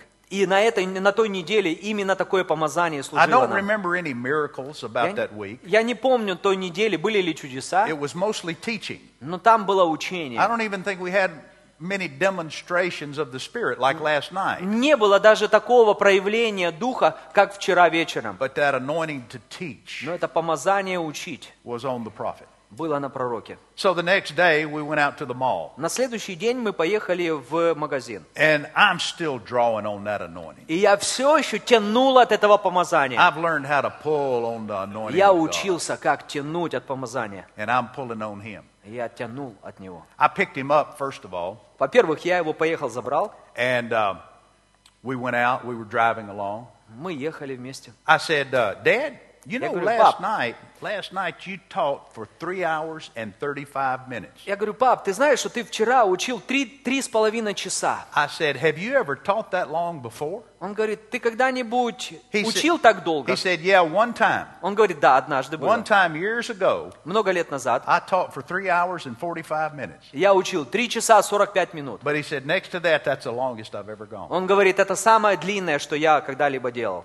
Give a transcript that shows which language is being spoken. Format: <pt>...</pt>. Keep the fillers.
<ru>И на этой, на той неделе именно такое помазание служило нам. Я не, помню той недели были ли чудеса. Но там было учение.</ru> <en>many demonstrations of the Spirit like last night.</en> <ru>Не было даже такого проявления духа, как вчера вечером.</ru> <en>But that anointing to teach.</en> <ru>Но это помазание учить.</ru> <en>Was on the prophet</en> <ru>было на пророке.</ru> <en>So the next day we went out to the mall.</en> <ru>На следующий день мы поехали в магазин.</ru> <en>And I'm still drawing on that anointing.</en> <ru>И я все еще тянул от этого помазания.</ru> <en>I've learned how to pull on the anointing</en> <ru>я учился, как тянуть от помазания.</ru> <en>And I'm pulling on him.</en> <ru>Я тянул от него.</ru> <en>I picked him up, first of all.</en> <ru>Во-первых, я его поехал, забрал.</ru> <en>And, uh, we went out, we were driving along.</en> <ru>Мы ехали вместе.</ru> <en>I said, uh, Dad, You know, last night, last night you taught for three hours and thirty-five minutes. I said, have you ever taught that long before?</en> <ru>Он говорит, ты когда-нибудь</ru> <en>He said, yeah, one time.</en> <ru>Он говорит, да, однажды было.</ru> <en>One time years ago.</en> <ru>Много лет назад.</ru> <en>I taught for three hours and forty-five minutes.</en> <ru>Я учил три часа сорок пять минут.</ru> <en>But he said, next to that, that's the longest I've ever gone.</en> <ru>Он говорит, это самое длинное, что я когда-либо делал.</ru>